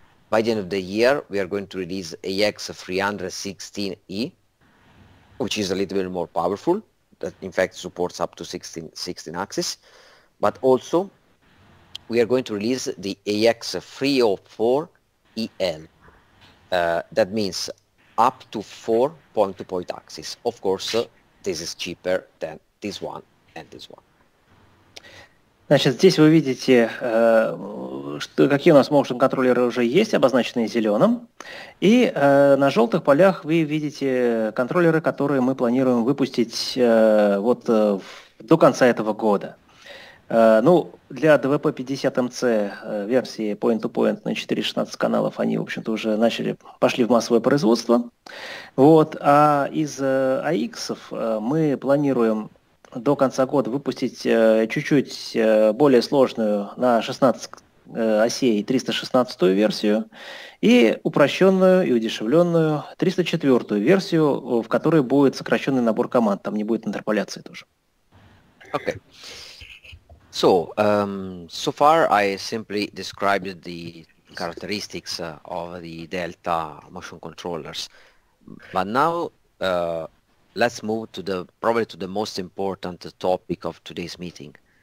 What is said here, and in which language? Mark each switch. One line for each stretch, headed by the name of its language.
English: By the end of the year, we are going to release AX316E, which is a little bit more powerful, that in fact supports up to 16 axis. But also, we are going to release the AX304EL. That means up to 4 point-to-point axis. Of course, this is cheaper than this one and this one.
Russian: Значит, здесь вы видите, что, какие у нас motion-контроллеры уже есть, обозначенные зеленым. И на желтых полях вы видите контроллеры, которые мы планируем выпустить до конца этого года. Для DVP-50MC версии point-to-point на 4.16 каналов они, в общем-то, уже пошли в массовое производство. Вот. А из AX-ов мы планируем до конца года выпустить чуть-чуть более сложную на 16 осей 316 версию и упрощенную и удешевленную 304 версию, в которой будет сокращенный набор команд, там не будет интерполяции тоже.
English: Okay. So, so far I simply described the characteristics of the Delta motion controllers, but now let's move to the probably to the most important topic of today's meeting.